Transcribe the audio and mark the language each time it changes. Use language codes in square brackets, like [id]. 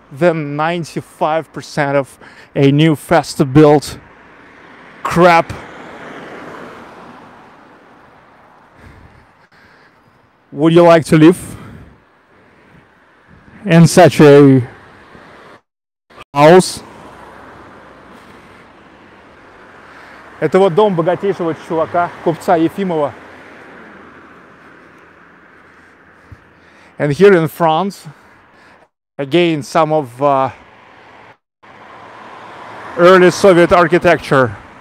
[en] than 95% of a new faster built crap. Would you like to live in such a house? [ru] Это вот дом богатейшего чувака, купца Ефимова. [en] And here in France, again, some of early Soviet architecture.